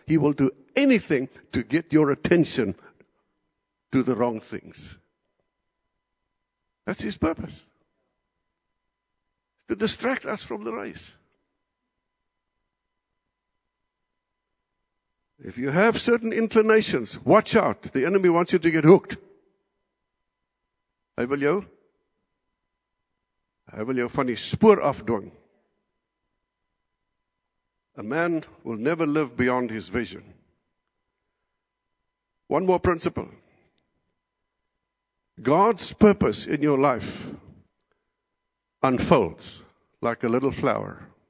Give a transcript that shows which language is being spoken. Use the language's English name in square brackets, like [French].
[English] He will do anything to get your attention to the wrong things. That's his purpose. To distract us from the race. If you have certain inclinations, watch out. The enemy wants you to get hooked. [Afrikaans] Hy wil jou. Hy wil jou van die spoor afdwing. [English] A man will never live beyond his vision. One more principle. God's purpose in your life unfolds like a little flower.